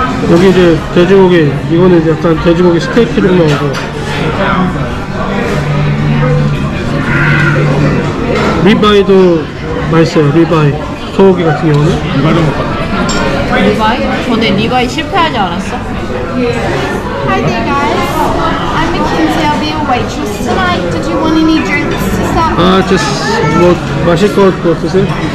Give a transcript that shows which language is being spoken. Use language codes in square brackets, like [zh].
[ko] 여기 이제 돼지고기 이거는 약간 돼지고기 스테이크로 나오고 리바이도 맛있어요. 리바이 소고기 같은 경우는 리바이도 못 봤어. 리바이? 전에 리바이 실패하지 않았어? 예. [en] Hi there guys. I'm Mackenzie. I'll be your waitress tonight. Did you want any drinks to start? [ko] 아, just 뭐 마실 것 뭐 드세요?